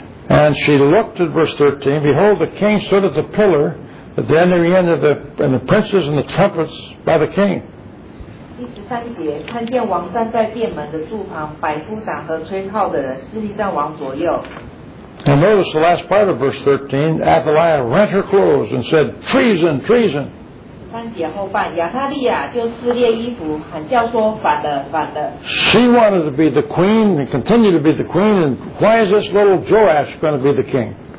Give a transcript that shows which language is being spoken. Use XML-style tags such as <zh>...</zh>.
<en>And she looked at verse 13. Behold, the king stood at the pillar at the entry end of the, and the princes and the trumpets by the king.</en> <zh>第十三节，看见王站在殿门的柱旁，百夫长和吹号的人，势力在王左右。</zh> <en>And notice the last part of verse 13, Athaliah rent her clothes and said, treason, treason.</en> <zh>三节后半，亚塔利亚就撕裂衣服，喊叫说，反了，反了。</zh> <en>She wanted to be the queen and continue to be the queen, and why is this little Joash going to be the king?</en>